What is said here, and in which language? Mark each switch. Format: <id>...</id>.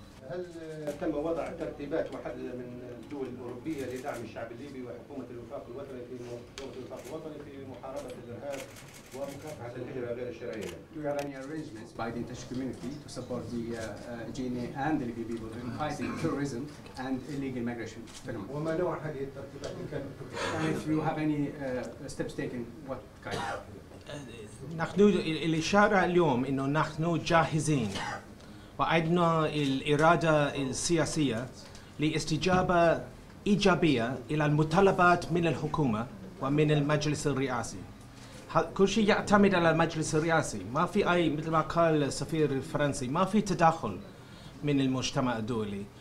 <ar>هل تم وضع ترتيبات محددة من الدول الأوروبية لدعم الشعب الليبي وحكومة الوفاق الوطني في محاربة الإرهاب ومكافحة الهجرة غير الشرعية؟</ar> <en>Do you have any arrangements by the international community to support the GNA and the Libyan people in fighting terrorism and illegal migration?</en> <ar>وما نوع هذه الترتيبات إن كانت؟</ar> <en>And if you have any steps taken, what kind?</en> <ar>نحن الإشارة اليوم إنه نحن جاهزين وعندنا الإرادة السياسية لاستجابة إيجابية إلى المطالبات من الحكومة ومن المجلس الرئاسي. كل شيء يعتمد على المجلس الرئاسي. ما في أي مثل ما قال السفير الفرنسي، ما في تدخل من المجتمع الدولي.</ar>